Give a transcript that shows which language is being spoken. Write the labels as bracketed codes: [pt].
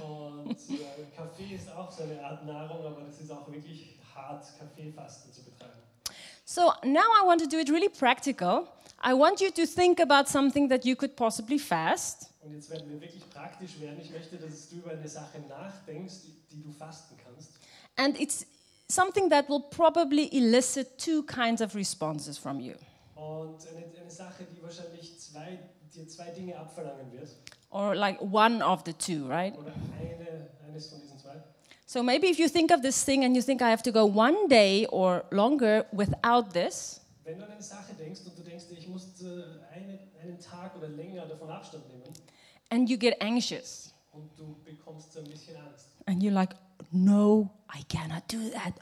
[de] Und Kaffee ist auch so eine Art Nahrung, aber das ist auch wirklich hart, Kaffeefasten zu betreiben. [en] So now I want to do it really practical. I want you to think about something that you could possibly fast. [de] Und jetzt werden wir wirklich praktisch werden. Ich möchte, dass du über eine Sache nachdenkst, die du fasten kannst. [en] And it's something that will probably elicit two kinds of responses from you. [de] Und eine Sache, die wahrscheinlich dir zwei Dinge abverlangen wird. [en] Or like one of the two, right? [de] Oder eines von diesen zwei. [en] So maybe if you think of this thing and you think I have to go one day or longer without this. [de] Wenn du an eine Sache denkst und du denkst, ich muss einen Tag oder länger davon Abstand nehmen. [en] And you get anxious. [de] Und du bekommst so ein bisschen Angst. [en] And you're like, no, I cannot do that.